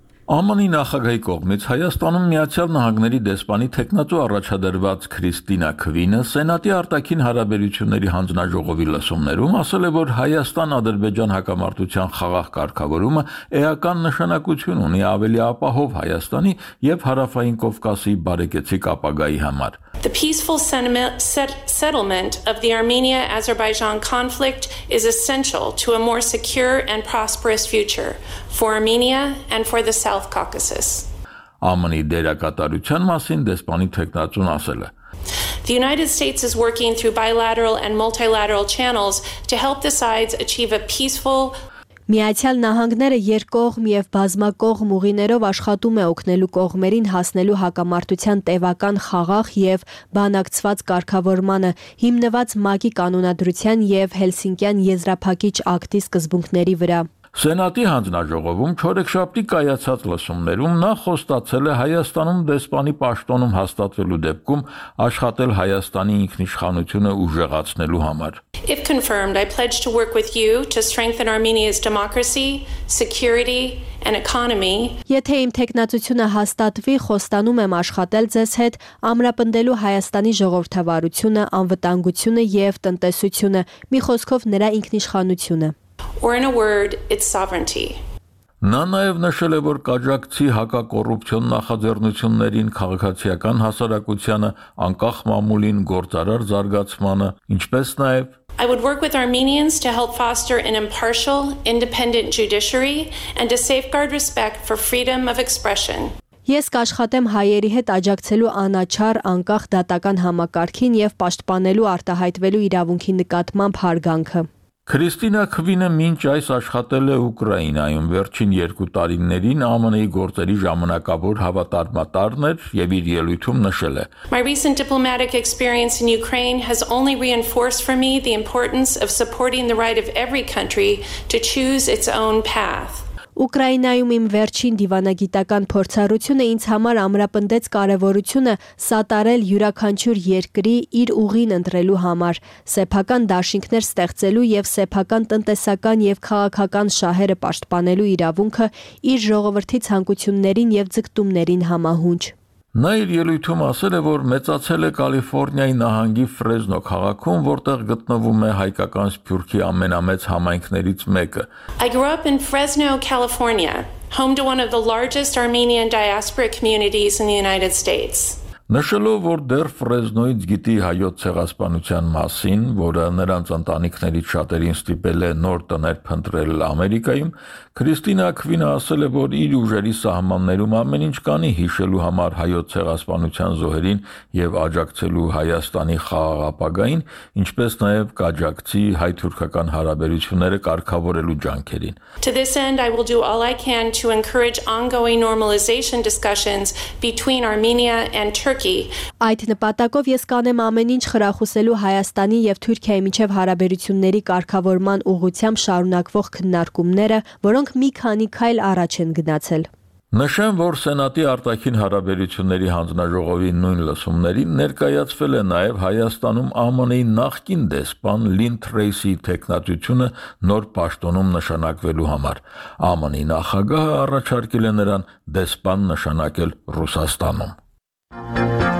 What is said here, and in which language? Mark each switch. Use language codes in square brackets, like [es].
[hy] ԱՄՆ-ի նախագահի կողմից Հայաստանում Միացյալ Նահանգների դեսպանի թեկնածու առաջադրված Քրիստինա Քվինը Սենատի արտաքին հարաբերությունների հանձնաժողովի լսումներում ասել է, որ Հայաստան-Ադրբեջան հակամարտության խաղաղ կարգավորումը էական նշանակություն ունի ավելի ապահով Հայաստանի եւ Հարավային Կովկասի բարեկեցիկ ապագայի համար։ [en] The peaceful settlement of the Armenia-Azerbaijan conflict is essential to a more secure and prosperous future for Armenia and for the South Caucasus. [hy] ԱՄՆ-ի դերակատարության մասին դեսպանի թեկնածուն ասել է. [en] The United States is working through bilateral and multilateral channels to help the sides achieve a peaceful [hy] Միացյալ Նահանգները երկկողմ եւ բազմակողմ ուղիներով աշխատում է օգնելու կողմերին հասնելու հակամարտության տևական խաղաղ եւ բանակցված կարգավորմանը, հիմնված ՄԱԿ-ի կանոնադրության եւ Հելսինկյան եզրափակիչ ակտի սկզբունքների վրա։ Սենատի հանձնաժողովում չորեքշաբթի կայացած լսումներում նա խոստացել է Հայաստանում դեսպանի պաշտոնում հաստատվելու դեպքում աշխատել Հայաստանի ինքնիշխանությունը ուժեղացնելու համար։ [en] If confirmed, I pledge to work with you to strengthen Armenia's democracy, security and economy. [hy] Եթե իմ թեկնածությունը հաստատվի, խոստանում եմ աշխատել ձեզ հետ ամրապնդելու Հայաստանի ժողովրդավարությունը, անվտանգությունը եւ տնտեսությունը, մի խոսքով նրա ինքնիշխանությունը։ [en] Or in a word, its sovereignty. [hy] Նա նաև նշել է, որ կաջակցի հակակոռուպցիոն նախաձեռնություններին քաղաքացիական հասարակությանը, անկախ մամուլին գործարար զարգացմանը, ինչպես նաև [en] I would work with Armenians to help foster an impartial, independent judiciary and to safeguard respect for freedom of expression. [hy] Ես կաշխատեմ հայերի հետ աջակցելու անաչար անկախ դատական համակարգին եւ պաշտպանելու արտահայտվելու իրավունքի նկատմամբ հարգանքը։ Քրիստինա Քվինը մինչ այս աշխատել է Ուկրաինայում, վերջին 2 տարիներին ԱՄՆ-ի գործերի ժամանակավոր հավատարմատարն էր եւ իր ելույթում նշել է. [en] My recent diplomatic experience in Ukraine has only reinforced for me the importance of supporting the right of every country to choose its own path. [hy] Ուկրաինայում իմ վերջին դիվանագիտական փորձառությունը ինձ համար ամրապնդեց կարևորությունը սատարել յուրաքանչյուր երկրի իր ուղին ընտրելու համար, սեփական դաշինքներ ստեղծելու եւ սեփական տնտեսական եւ քաղաքական շահերը պաշտպանելու իրավունքը իր ժողովրդի ցանկություններին եւ ձգտումներին համահունչ։ Նա իր ելույթում ասել է, որ մեծացել է Կալիֆոռնիայի նահանգի Ֆրեսնո քաղաքում, որտեղ գտնվում է հայկական սփյուռքի ամենամեծ համայնքներից մեկը։ [en] I grew up in Fresno, California, home to one of the largest Armenian diaspora communities in the United States. [hy] Նշելով, որ դեռ Ֆրեսնոից գիտի հայոց ցեղասպանության մասին, որը նրանց ընտանիքներից շատերին ստիպել է նոր տներ փնտրել Ամերիկայում, Քրիստինա Քվինը ասել է, որ իր ուժերի սահմաններում ամեն ինչ կանի հիշելու համար հայոց ցեղասպանության զոհերին եւ աջակցելու Հայաստանի խաղաղ ապագային, ինչպես նաեւ կաջակցի հայ-թուրքական հարաբերությունները կարգավորելու ջանքերին։ [en] To this end, I will do all I can to encourage ongoing normalization discussions between Armenia and [hy] Այդ նպատակով ես կանեմ ամեն ինչ խրախուսելու Հայաստանի եւ Թուրքիայի միջև հարաբերությունների կարգավորման ուղղությամբ շարունակվող քննարկումները, որոնք մի քանի քայլ առաջ են գնացել։ Նշեմ, որ Սենատի արտաքին հարաբերությունների հանձնաժողովի նույն լսումներին ներկայացվել է նաև Հայաստանում ԱՄՆ-ի նախկին դեսպան Լին Թրեյսի թեկնածությունը նոր պաշտոնում նշանակվելու համար։ ԱՄՆ-ի նախագահը առաջարկել է նրան դեսպան նշանակել Ռուսաստանում։